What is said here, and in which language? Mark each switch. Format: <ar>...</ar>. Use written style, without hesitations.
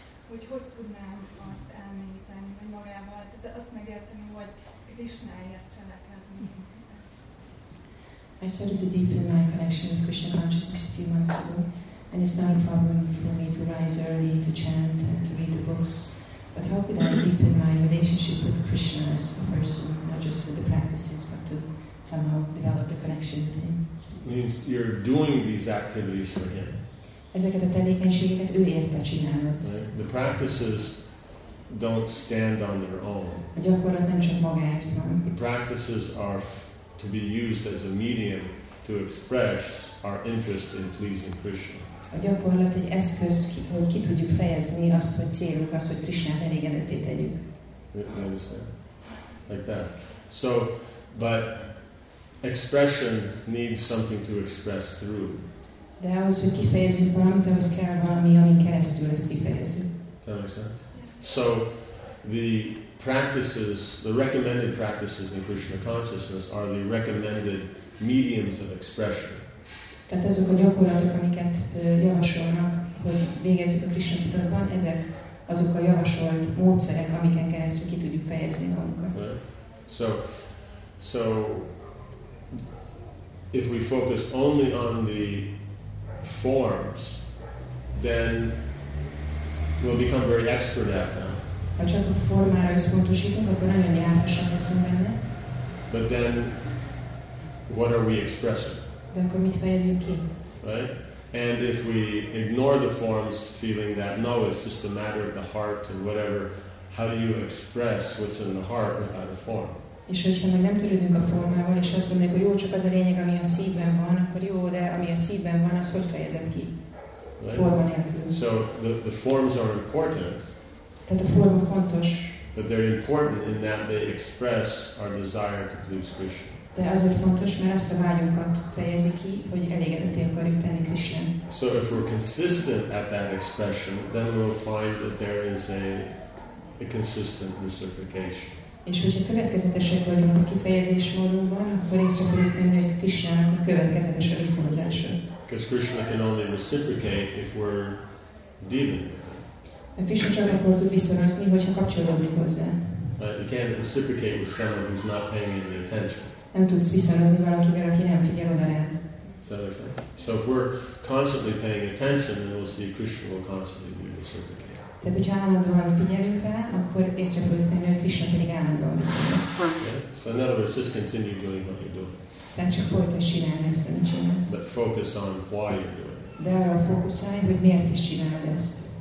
<hu>hogy hogy tudnám azt elmélyíteni, hogy magával, tehát azt megérteni, hogy Krisnáért cselekedni.</hu> <en>I started to deepen my connection with Krishna consciousness a few months ago, and it's not a problem for me to rise early, to chant, and to read the books. But how could I deepen my relationship with Krishna as a person, not just with the practices, but to somehow develop the connection with him? Means you're doing these activities for him.</en> <hu>Ezeket a tevékenységeket ő érte csinálod.</hu> <en>The practices don't stand on their own.</en> <hu>A gyakorlat nem csak magáért van.</hu> <en>The practices are to be used as a medium to express our interest in pleasing Krishna.</en> <hu>A gyakorlat egy eszköz, hogy ki tudjuk fejezni azt, hogy célunk az, hogy Krishna elégedettét tegyük.</hu> <en>Like that. So, but expression needs something to express through.</en> <hu>De ahhoz, hogy kifejezzük valamit, ahhoz kell valami, amin keresztül ezt kifejezzük.</hu> <en>That makes sense? So, the practices, the recommended practices in Krishna consciousness are the recommended mediums of expression.</en> <hu>Tehát azok a gyakorlatok, amiket javasolnak, hogy végezzük a Krishna tudatban, ezek azok a javasolt módszerek, amiken keresztül ki tudjuk fejezni magunkat.</hu> <en>So if we focus only on the forms, then we'll become very expert at them.</en> <hu>Ha csak a formára összpontosítunk, akkor nagyon jártasak leszünk benne.</hu> <en>But then, what are we expressing?</en> <hu>De akkor mit fejezünk ki?</hu> <en>Right? And if we ignore the forms, feeling that, no, it's just a matter of the heart and whatever, how do you express what's in the heart without a form?</en> <hu>És hogyha meg nem törődünk a formával, és azt gondoljuk, hogy jó, csak az a lényeg, ami a szívben van, akkor jó, de ami a szívben van, az hogy fejezed ki?</hu> <en>Right?</en> <hu>Forma nélkül.</hu> <en>So, the forms are important.</en> <hu>Tehát a forma fontos.</hu> <en>But they're important in that they express our desire to please Krishna.</en> <hu>De azért fontos, mert azt a vágyunkat fejezi ki, hogy elégedetté akarjuk tenni Krishna.</hu> <en>So if we're consistent at that expression, then we'll find that there is a consistent reciprocation.</en> <hu>És hogyha következetesek vagyunk a kifejezés módunkban, akkor észre fogjuk venni, hogy Krishna következetes a visszahozása.</hu> <en>Because Krishna can only reciprocate if we're dealing with him.</en> <hu>A Krishna csak akkor tud visszahozni, hogyha kapcsolódunk hozzá.</hu> <en>You can't reciprocate with someone who's not paying any attention.</en> <hu>Nem tudsz visszahozni valakivel, aki nem figyel oda rád.</hu> <en>So if we're constantly paying attention, then we'll see Krishna will constantly be reciprocating.</en> <hu>Tehát, hogyha állandóan figyelünk rá, akkor észre fogjuk venni, hogy Krishna pedig állandóan visszahoz.</hu> <en>Okay. So in other words, just continue doing what you're doing.</en> <hu>Tehát csak folytass csinálni ezt, amit csinálsz.</hu> <en>But focus on why you're doing it.</en> <hu>De arra fókuszálj, hogy miért is csinálod ezt.</hu>